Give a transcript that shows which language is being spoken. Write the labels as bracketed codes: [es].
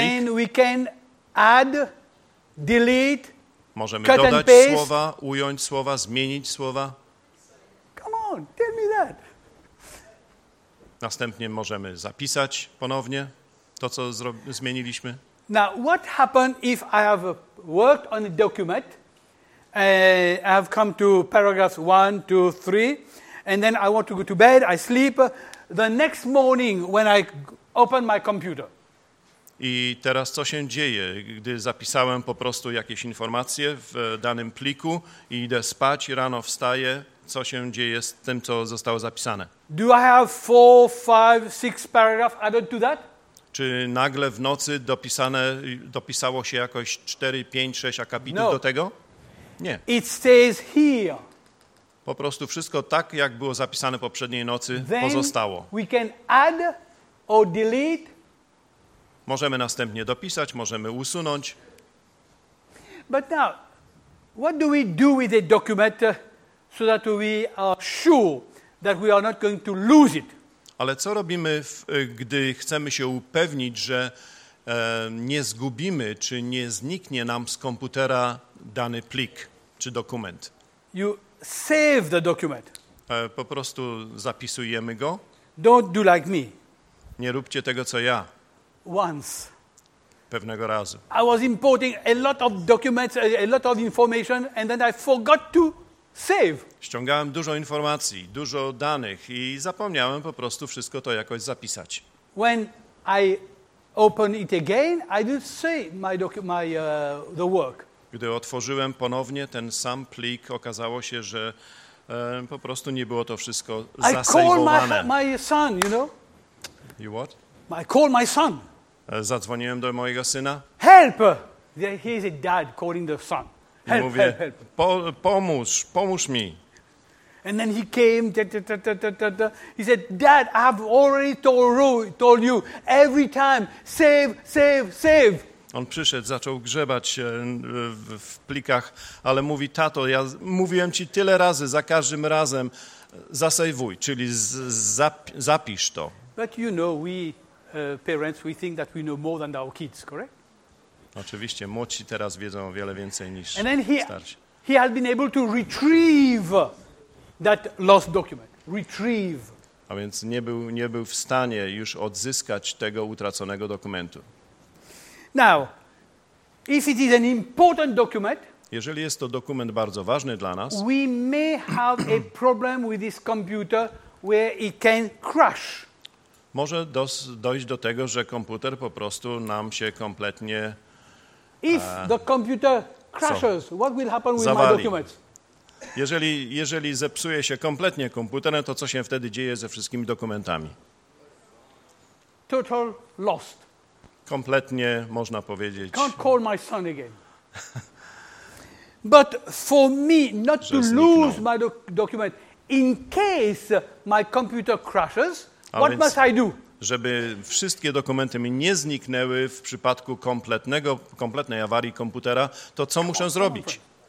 [en] And we can add, delete, [pl] możemy [en] cut [pl] dodać [en] and paste. [pl] Słowa, ująć słowa, zmienić słowa. [en] Come on, tell me that. [pl] Następnie możemy zapisać ponownie to, co zmieniliśmy. [en] Now, what happened if I have worked on a document, I have come to paragraphs 1, 2, 3, and then I want to go to bed, I sleep, the next morning when I open my computer. [pl] I teraz co się dzieje, gdy zapisałem po prostu jakieś informacje w danym pliku i idę spać, rano wstaję, co się dzieje z tym, co zostało zapisane? [en] Do I have 4, 5, 6 paragraphs added to that? [pl] Czy nagle w nocy dopisało się jakoś 4, 5, 6 akapitów [en] no. [pl] do tego? Nie. [en] It stays here. [pl] Po prostu wszystko tak, jak było zapisane poprzedniej nocy, [en] then [pl] pozostało. [en] We can add or delete. [pl] Możemy następnie dopisać, możemy usunąć. [en] But now, what do we do with a document so that we are sure that we are not going to lose it? [pl] Ale co robimy, gdy chcemy się upewnić, że nie zgubimy, czy nie zniknie nam z komputera dany plik, czy dokument? [en] You save the document. [pl] Po prostu zapisujemy go. [en] Don't do like me. [pl] Nie róbcie tego, co ja. [en] Once. [pl] Pewnego razu. [en] I was importing a lot of documents, a lot of information, and then I forgot to save. [pl] Ściągałem dużo informacji, dużo danych i zapomniałem po prostu wszystko to jakoś zapisać. [en] When I open it again, I didn't see the work. [pl] Gdy otworzyłem ponownie ten sam plik, okazało się, że po prostu nie było to wszystko zasejwowane. [en] I call my son, you know. You what? I call my son. [pl] Zadzwoniłem do mojego syna. [en] Help! He is a dad calling the son. Help, [pl] I mówię, pomóż mi. [en] And then he came, he said, Dad, I've already told you, every time, save. [pl] On przyszedł, zaczął grzebać w plikach, ale mówi, tato, ja mówiłem ci tyle razy, za każdym razem, zasejwuj, czyli zapisz to. [en] But you know, we parents, we think that we know more than our kids, correct? [pl] Oczywiście, młodsi teraz wiedzą o wiele więcej niż starsi. [en] And then he had been able to retrieve that lost document. Retrieve. [pl] A więc nie był w stanie już odzyskać tego utraconego dokumentu. [en] Now, if it is an important document, [pl] jeżeli jest to dokument bardzo ważny dla nas, [en] we may have a problem with this computer where it can crash. [pl] Może dojść do tego, że komputer po prostu nam się kompletnie [en] if the computer crashes, what will happen with [pl] zawali. [en] My documents? [pl] Jeżeli zepsuje się kompletnie komputer, to co się wtedy dzieje ze wszystkimi dokumentami? [en] Total lost. [pl] Kompletnie można powiedzieć. [en] Can't call my son again. But for me not to lose my document in case my computer crashes, what must I do? [pl] Żeby wszystkie dokumenty mi nie zniknęły w przypadku kompletnej awarii komputera, to co muszę zrobić?